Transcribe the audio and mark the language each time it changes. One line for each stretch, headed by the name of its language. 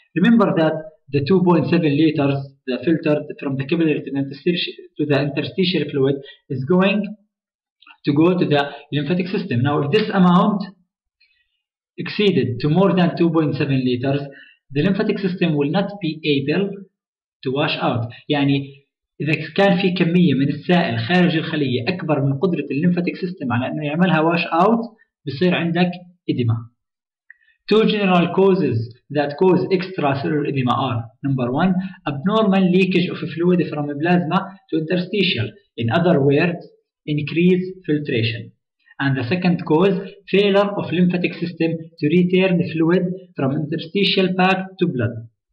English: Remember that the 2.7 liters, the filter from the capillary to the interstitial fluid, is going to go to the lymphatic system. Now, if this amount exceeded to more than 2.7 liters, the lymphatic system will not be able to wash out.
Arabic: يعني إذا كان في كمية من السائل خارج الخلية أكبر من قدرة
English: الليمفاتيك سيستم
Arabic: على أنه يعملها
English: wash out
Arabic: بصير عندك إديما.
English: Two general causes that cause extracellular edema are number one, abnormal leakage of fluid from plasma to interstitial. In other words, increase filtration. And the second cause, failure of lymphatic system to return the fluid from interstitial pack to blood.